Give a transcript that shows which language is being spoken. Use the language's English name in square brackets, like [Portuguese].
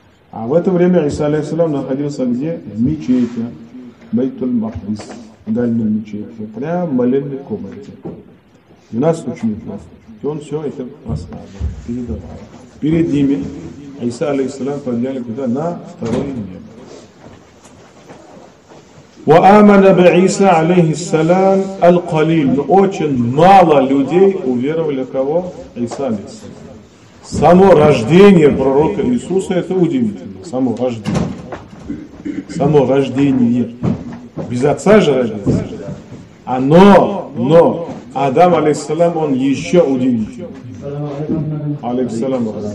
[Russian] А в это время Иса, алейхиссалям, находился где? В мечети. Байтуль Махдис. В дальней мечети. Прямо в молельной комнате. 12 учеников. И он все это рассказывал. Передавал. Перед ними Иса, алейхиссалям, подняли куда? На второе небо. [Arabic] وآمن بعيسى عليه السلام القليل. [Russian] Очень мало людей уверовали кого? Иса. Само рождение пророка Иисуса это удивительно. Само рождение. Само рождение. Без отца же родился. А но Адам алейхиссалам он еще удивительный. Алейхиссалам.